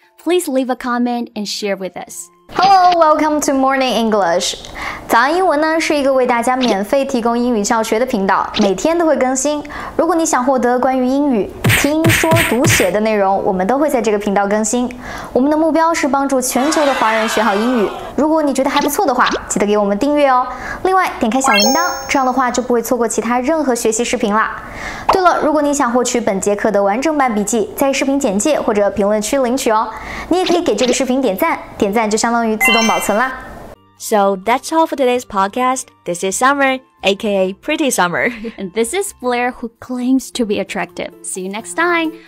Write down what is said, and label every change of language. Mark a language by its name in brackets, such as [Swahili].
[English] Please leave a comment and share with us. Hello, welcome to Morning English. [Chinese] 早安英文呢是一个为大家免费提供英语教学的频道，每天都会更新。如果你想获得关于英语听说读写的内容，我们都会在这个频道更新。我们的目标是帮助全球的华人学好英语。如果你觉得还不错的话，记得给我们订阅哦。另外，点开小铃铛，这样的话就不会错过其他任何学习视频啦。对了，如果你想获取本节课的完整版笔记，在视频简介或者评论区领取哦。你也可以给这个视频点赞，点赞就相当于自动保存啦。 [English] So that's all for today's podcast. This is Summer, aka Pretty Summer. And this is Blair, who claims to be attractive. See you next time.